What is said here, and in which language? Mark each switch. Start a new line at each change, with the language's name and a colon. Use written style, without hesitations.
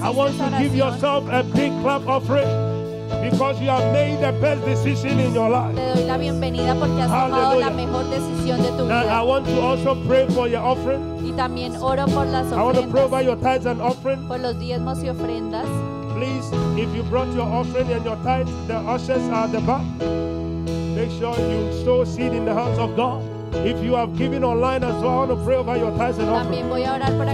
English: I want to give yourself a big clap offering, because you have made the best decision in your life.
Spanish: Te doy la bienvenida porque has tomado la mejor decisión de tu vida.
English: Now I want to also pray for your offering.
Spanish: Y también oro por las ofrendas.
English: I want to pray for your tithes and offering.
Spanish: Por los diezmos y ofrendas.
English: Please, if you brought your offering and your tithe, the ushers are at the back. Make sure you sow seed in the house of God. If you have given online as well, I want to pray over your tithes and offering.